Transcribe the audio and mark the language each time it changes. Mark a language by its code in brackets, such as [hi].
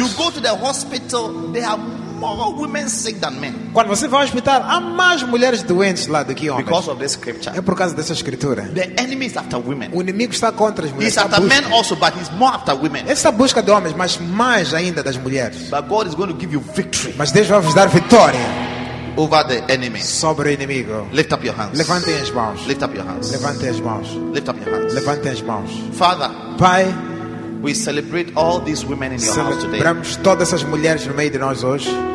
[en] You go to the hospital, they have more women sick than men. [pt] Quando você vai ao hospital, há mais mulheres doentes lá do que homens. [en] Because of this scripture. [pt] É por causa dessa escritura. [en] The enemy is after women. [pt] O inimigo está contra as mulheres. [en] He's after men also, but he's more after women. [pt] Essa busca de homens, mas mais ainda das mulheres. [en] But God is going to give you victory. [pt] Mas Deus vai vos dar vitória. [en] Over the enemy. [pt] Sobre o inimigo. [en] Lift up your hands. [pt] Levante as mãos. [en] Lift up your hands. [pt] Levante as mãos. [en] Lift up your hands. [pt] Levante as mãos. [en] Father. [pt] Pai. [en] We celebrate all these women in your house today. [pt] Celebramos todas essas mulheres no meio de nós hoje.